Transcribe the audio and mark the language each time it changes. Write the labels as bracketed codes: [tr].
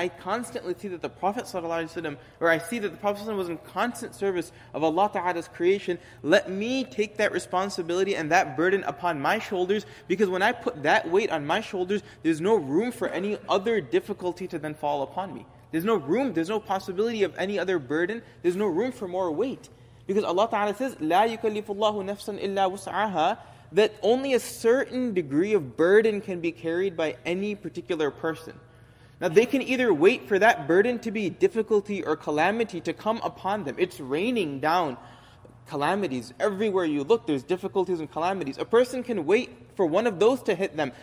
[en] I constantly see that the Prophet Sallallahu Alaihi Wasallam, or I see that the Prophet Sallallahu Alaihi Wasallam was in constant service of Allah Ta'ala's creation. Let me take that responsibility and that burden upon my shoulders, because when I put that weight on my shoulders, there's no room for any other difficulty to then fall upon me. There's no room, there's no possibility of any other burden. There's no room for more weight. Because Allah Ta'ala says, [ar] لَا يُكَلِّفُ اللَّهُ نَفْسًا إِلَّا وُسْعَهَا. [en] That only a certain degree of burden can be carried by any particular person. Now they can either wait for that burden to be difficulty or calamity to come upon them. It's raining down calamities. Everywhere you look, there's difficulties and calamities. A person can wait for one of those to hit them.